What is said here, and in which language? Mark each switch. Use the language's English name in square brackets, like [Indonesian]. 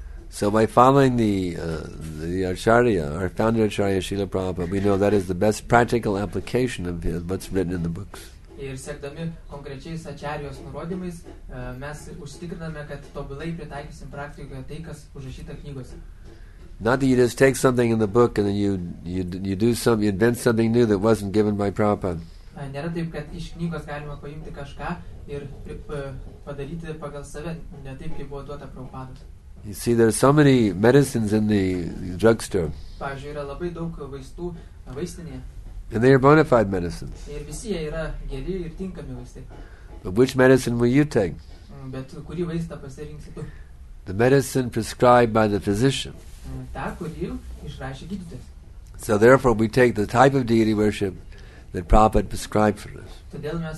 [English] So by following the Acharya, our founder Acharya Srila Prabhupada, we know that is the best practical application of what's written in the books. Not that you just take something in the book and then you do some, you invent something new that wasn't given by Prabhupada. [Lithuanian] Nėra taip, kad iš knygos galima paimti kažką ir padaryti pagal save, ne taip, kaip buvo duota Prabhupada. [English] You see, there are so many medicines in the drugstore. [Lithuanian] Pavyzdžiui, yra labai daug vaistų vaistinėje. [English] And they are bona fide medicines. [Lithuanian] Ir visi jie yra geri ir tinkami vaistai. [English] But which medicine will you take? [Lithuanian] Bet kurį vaistą pasirinksi tu? [English] The medicine prescribed by the physician. [Lithuanian] Ta, kurį išrašė gydytojas. [English] So therefore we take the type of deity worship that Prabhupada prescribed for us.